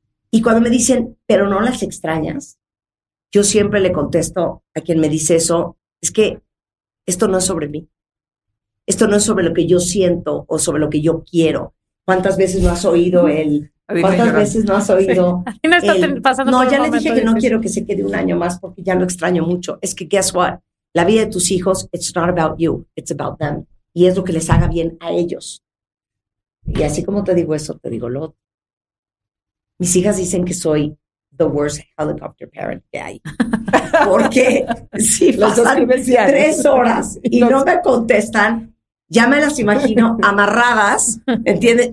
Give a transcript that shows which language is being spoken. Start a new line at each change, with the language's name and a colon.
Spanish: Y cuando me dicen, pero no las extrañas, yo siempre le contesto a quien me dice eso, es que esto no es sobre mí. Esto no es sobre lo que yo siento o sobre lo que yo quiero. ¿Cuántas veces no has oído él? ¿Cuántas veces no has oído? Sí. No, está pasando no ya le dije que no quiero que se quede un año más porque ya lo extraño mucho. Es que,
English: guess what?
Spanish: La vida de tus hijos,
English: it's not about you, it's about them.
Spanish: Y es lo que les haga bien a ellos. Y así como te digo eso, te digo lo otro. Mis hijas dicen que soy
English: the worst helicopter parent
Spanish: que hay. Porque si pasan tres horas y no me contestan, ya me las imagino amarradas, ¿entiendes?